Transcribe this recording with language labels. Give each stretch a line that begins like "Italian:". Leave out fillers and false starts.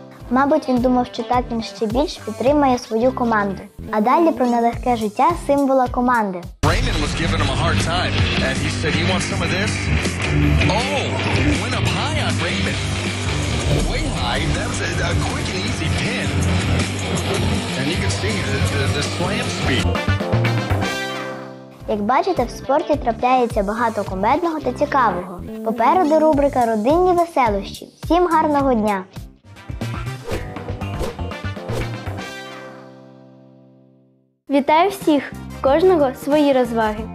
Ukrainian: Мабуть, він думав, що так він ще більш підтримає свою команду. А далі про нелегке життя символа команди.
English: Raymond was giving him a hard time, and he said, "You want some of this?" Oh, went up high on Raymond. Way high. That was a quick and easy pin. And you can see the slam speed.
Ukrainian: Як бачите, в спорті трапляється багато кумедного та цікавого. Попереду рубрика «Родинні веселощі». Всім гарного дня! Вітаю всіх! В кожного свої розваги.